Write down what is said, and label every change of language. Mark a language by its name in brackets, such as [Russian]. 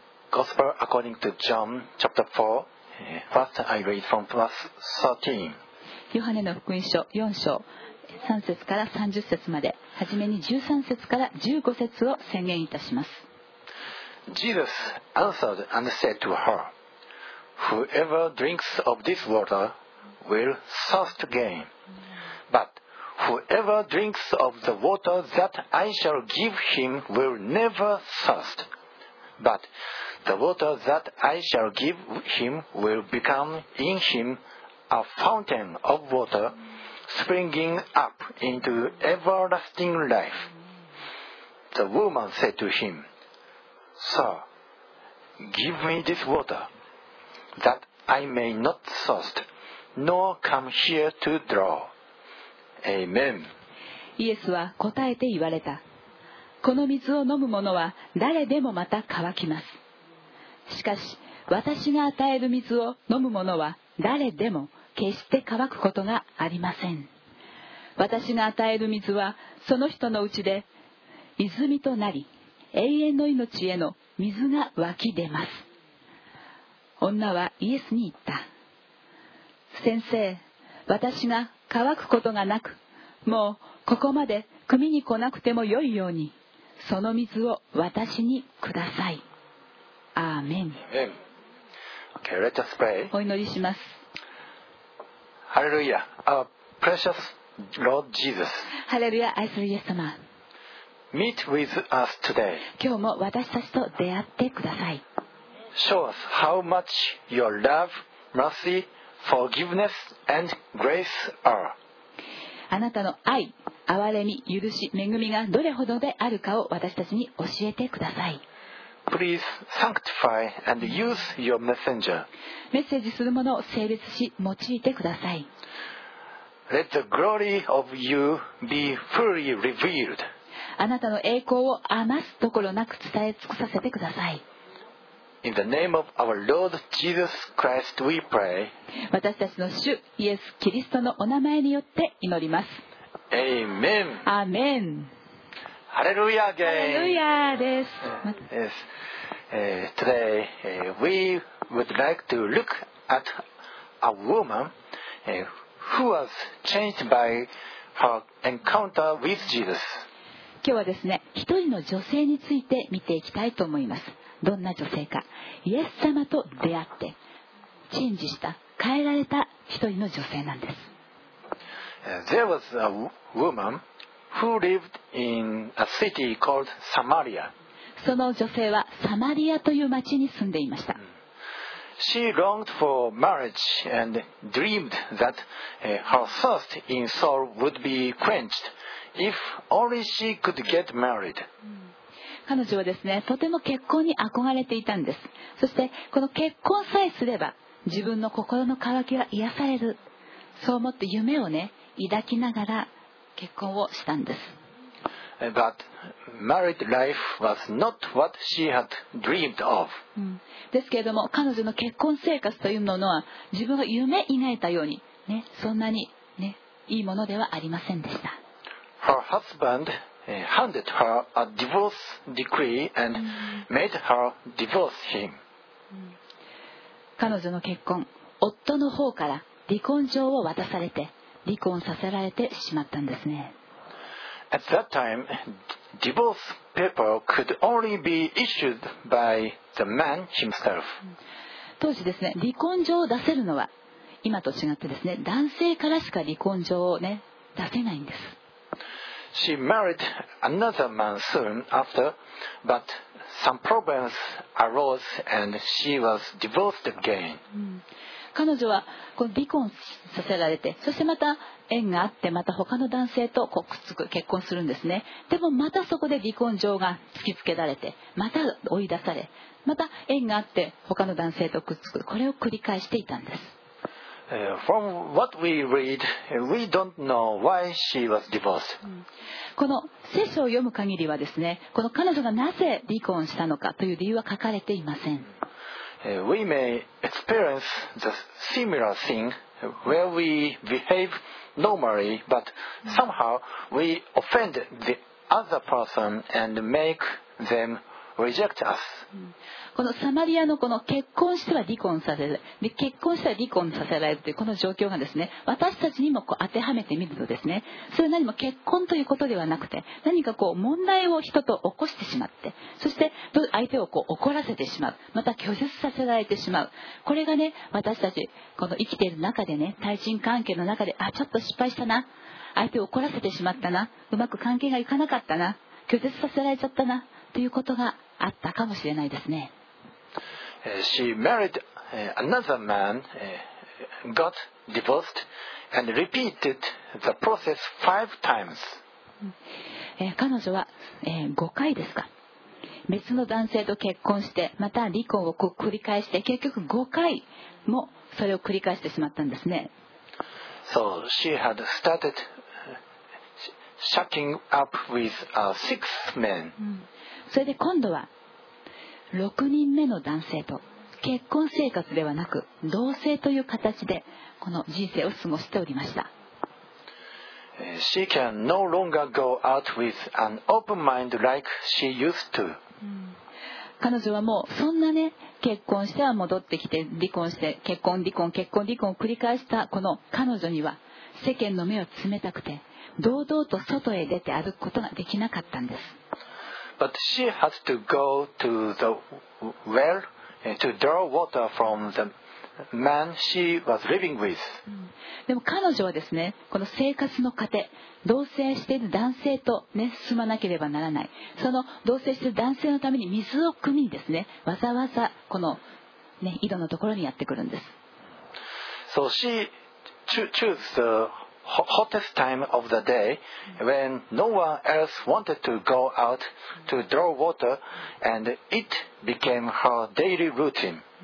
[English] Gospel according to John chapter 4. First, I read from verse 13. [Japanese] ヨハネの福音書4章3節から30節まで、はじめに13節から15節を宣言いたします。 [English] Jesus answered and said to her, Whoever drinks of this water will thirst again. But whoever drinks of the water that I shall give him will never thirst. But the water that I shall give him will become in him a fountain of water springing up into everlasting life. The woman said to him,Sir, give me this water, that I may not thirst, nor come here to draw. Amen. [Japanese] イエスは答えて言われた。この水を飲む者は誰でもまた乾きます。しかし、私が与える水を飲む者は誰でも決して乾くことがありません。私が与える水はその人のうちで泉となり、永遠の命への水が湧き出ます。女はイエスに言った。先生、私が乾くことがなく、もうここまで汲みに来なくてもよいように、その水を私にください。アーメン。 [English] Okay, let us pray. [Japanese] お祈りします。 [English] ハレルヤ、 Our precious Lord Jesus. [Japanese] ハレルヤ、愛するイエス様、 [English] Meet with us today. [Japanese] 今日も私たちと出会ってください。 [English] Show us how much your love, mercy, forgiveness, and grace are. [Japanese] あなたの愛、憐れみ、許し、恵みがどれほどであるかを私たちに教えてください。 [English] Please sanctify and use your messenger. [Japanese] メッセージするものを聖別し、用いてください。 [English] Let the glory of you be fully revealed. [Japanese] あなたの栄光を余すところなく伝え尽くさせてください。 [English] In the name of our Lord Jesus Christ we pray. [Japanese] 私たちの主イエス・キリストのお名前によって祈ります。 [English] Amen. [Japanese] アーメン。ハレルヤー。ゲイ。ハレルヤーです。 [English] Yes. Today we would like to look at a woman who was changed by her encounter with Jesus. [Japanese] 今日はですね、一人の女性について見ていきたいと思います。どんな女性か、イエス様と出会ってチェンジした、変えられた一人の女性なんです。 [English] There was a woman who lived in a city called Samaria. [Japanese] その女性はサマリアという町に住んでいました。 [English] She longed for marriage and dreamed that her thirst in Saul would be quenched. If only she could get married. [Japanese] 彼女はですね、とても結婚に憧れていたんです。そしてこの結婚さえすれば自分の心の渇きは癒される、そう思って夢をね、抱きながら結婚をしたんです。 [English] But married life was not what she had dreamed of. [Japanese] ですけれども、彼女の結婚生活というものは自分が夢描いたように、ね、そんなに、ね、いいものではありませんでした。 [English] Her husband handed her a divorce decree and made her divorce him. [Japanese] 彼女の結婚、夫の方から離婚状を渡されて、離婚させられてしまったんですね。 [English] At that time, divorce paper could only be issued by the man himself. [Japanese] 当時ですね、離婚状を出せるのは今と違ってですね、男性からしか離婚状をね、出せないんです。 [English] She married another man soon after, but some problems arose and she was divorced again. [Japanese] 彼女はこの離婚させられて、そしてまた縁があって、また他の男性とこうくっつく結婚するんですね。でもまたそこで離婚状が突きつけられて、また追い出され、また縁があって他の男性とくっつく、これを繰り返していたんです。 [English] From what we read, we don't know why she was divorced. [Japanese] この聖書を読む限りはですね、この彼女がなぜ離婚したのかという理由は書かれていません。 [English] We may experience the similar thing where we behave normally, but somehow we offend the other person and make them reject us. [Japanese] このサマリアのこの結婚しては離婚させる、結婚しては離婚させられるというこの状況がですね、私たちにもこう当てはめてみるとですね、それは何も結婚ということではなくて、何かこう問題を人と起こしてしまって、そして相手をこう怒らせてしまう、また拒絶させられてしまう、これがね、私たちこの生きている中でね、対人関係の中で、あ、ちょっと失敗したな、相手を怒らせてしまったな、うまく関係がいかなかったな、拒絶させられちゃったなということがあったかもしれないですね。 [English] She married another man, got divorced, and repeated the process five times. [Japanese] 彼女は、5回ですか、別の男性と結婚して、また離婚を繰り返して、結局5回もそれを繰り返してしまったんですね。 [English] So she had started shacking up with a sixth man. [Japanese] それで今度は6人目の男性と結婚生活ではなく同棲という形でこの人生を過ごしておりました。 [English] She can no longer go out with an open mind like she used to. [Japanese] 彼女はもうそんなね、結婚しては戻ってきて離婚して結婚離婚結婚離婚を繰り返したこの彼女には、世間の目を冷たくて堂々と外へ出て歩くことができなかったんです。 [English] But she has to go to the well to draw water from the man she was living with. [Japanese] でも彼女はですね、この生活の糧、同棲している男性とね、住まなければならない。その同棲している男性のために水を汲みにですね、わざわざこの、ね、井戸のところにやってくるんです。 [English] So she chooses the hottest time of the day when no one else wanted to go out to draw water and it became her daily routine.